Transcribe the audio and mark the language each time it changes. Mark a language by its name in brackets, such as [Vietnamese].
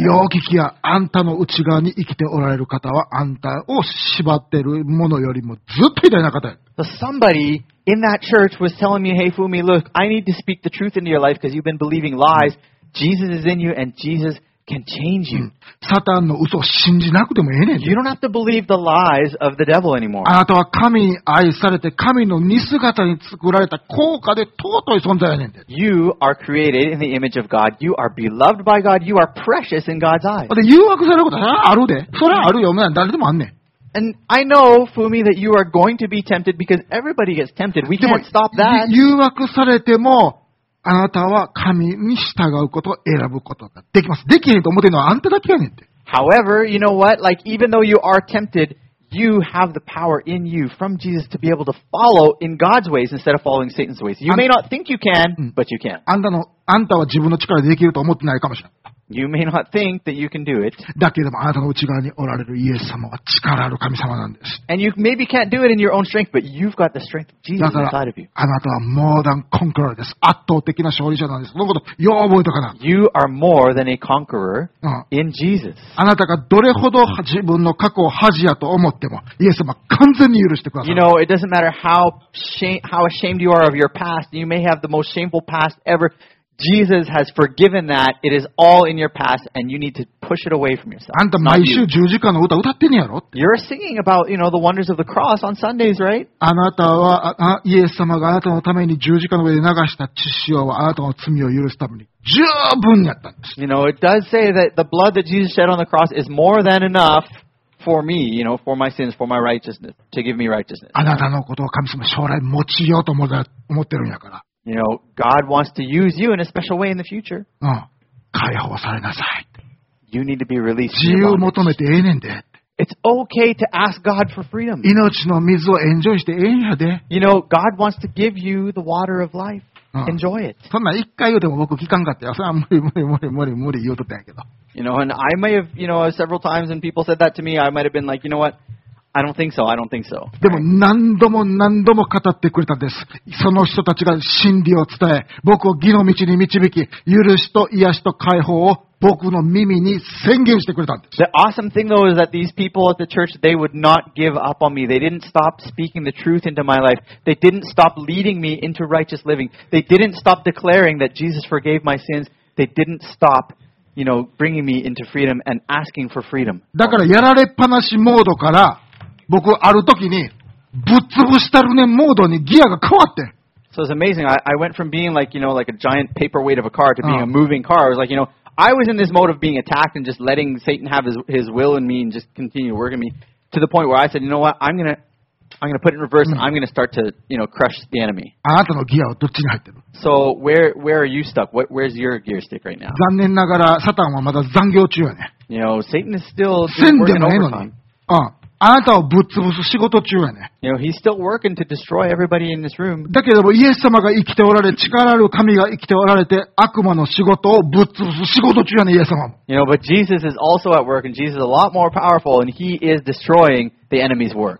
[Japanese] よく聞きや、あんたの内側に生きておられる方は、あんたを縛ってるものよりもずっと偉大な方や。 [English] So somebody in that church was telling me, hey Fumi, look, I need to speak the truth into your life because you've been believing lies. Jesus is in you and Jesus can change you. [Japanese] サタンの嘘を信じなくてもええねん。 [English] You don't have to believe the lies of the devil anymore. [Japanese] あなたは神に愛されて神の似姿に作られた高価で尊い存在やねんで。 [English] You are created in the image of God. You are beloved by God. You are precious in God's eyes. [Japanese] で、誘惑されることはあるで。それはあるよ。誰でもあんねん。 [English] And I know, Fumi, that you are going to be tempted because everybody gets tempted. We can't stop that. [Japanese] 誘惑されても、あなたは神に従うことを選ぶことができます。できへんと思ってるのはあんただけやねんって。 [English] However, you know what? Like, even though you are tempted, you have the power in you from Jesus to be able to follow in God's ways instead of following Satan's ways. You may not think you can, but you can. [Japanese] あんたは自分の力でできると思ってないかもしれない。 [English] You may not think that you can do it. [Japanese] だけどもあなたの内側におられるイエス様は力ある神様なんです。 [English] And you maybe can't do it in your own strength, but you've got the strength of Jesus inside of you. [Japanese] だからあなたは [English] more than conqueror [Japanese] です。圧倒的な勝利者なんです。そのことよう覚えとかな。 [English] You are more than a conqueror in Jesus. [Japanese] あなたがどれほど自分の過去を恥やと思っても、イエス様は完全に許してください。 [English] You know, it doesn't matter how ashamed you are of your past. You may have the most shameful past ever. Jesus has forgiven that. It is all in your past, and you need to push it away from yourself. [Japanese] あんた毎週十字架の歌歌ってんやろ。 [English] You're singing about, you know, the wonders of the cross on Sundays, right? [Japanese] あなたはイエス様があなたのために十字架の上で流した血潮はあなたの罪を許すために十分やったんです。 [English] You know, it does say that the blood that Jesus shed on the cross is more than enough for me, you know, for my sins, for my righteousness, to give me righteousness. [Japanese] あなたのことを神様将来持ちようと思ってるんやから。 [English] You know, God wants to use you in a special way in the future. [Japanese] 解放されなさい。 [English] You need to be released. [Japanese] 自由を求めてええねんで。 [English] It's okay to ask God for freedom. [Japanese] 命の水をエンジョイしてええんやで。 [English] You know, God wants to give you the water of life. Enjoy it. [Japanese] そんな一回言うても僕聞かんかったよ。それは無理無理無理無理無理言うとったんやけど。 [English] You know, and I may have, you know, several times when people said that to me, I might have been like, you know what? I don't think so. I don't think so. [Japanese] でも何度も何度も語ってくれたんです。その人たちが真理を伝え、僕を義の道に導き、許しと癒しと解放を僕の耳に宣言してくれたんです。 [English] The awesome thing though is that these people at the church, they would not give up on me. They didn't stop speaking the truth into my life. They didn't stop leading me into righteous living. They didn't stop declaring that Jesus forgave my sins. They didn't stop. You know, bringing me into freedom and asking for freedom. [Japanese] だからやられっぱなしモードから僕ある時にぶっ潰したるねモードにギアが変わって。 [English] So it's amazing. I went from being like, you know, like a giant paperweight of a car to being a moving car. I was like, you know, I was in this mode of being attacked and just letting Satan have his will in me and just continue working me to the point where I said, you know what, I'm gonna put it in reverse and I'm gonna start to, you know, crush the enemy. [Japanese] あなたのギアはどっちに入ってる？ [English] So where are you stuck? Where's your gear stick right now? [Japanese] 残念ながらサタンはまだ残業中やね。 [English] You know, Satan is still working overtime. [Japanese] せんでもええのに。あなたをぶっ潰す仕事中やね。 [English] You know, he's still working to destroy everybody in this room. [Japanese] だけどもイエス様が生きておられ、力ある神が生きておられて、悪魔の仕事をぶっ潰す仕事中やね、イエス様も。 [English] You know, but Jesus is also at work, and Jesus is a lot more powerful, and he is destroying the enemy's work.